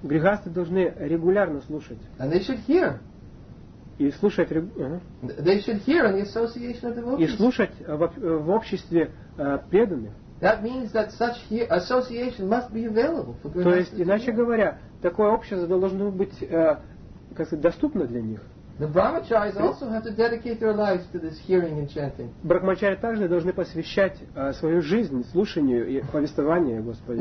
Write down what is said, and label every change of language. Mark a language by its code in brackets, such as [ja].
[ru] Грихасты должны регулярно слушать. [en] And they should hear. [ru] И слушать, [en] They should hear in the association of devotees. [ru] И слушать в обществе преданных. [en] That means that such association must be available for [ru] То есть, иначе говоря, такое общество должно быть доступно для них. [en] The brahmacharis also have to dedicate their lives to this hearing and chanting. [ru] Брахмачари также должны посвящать свою жизнь слушанию и повествованию Господи.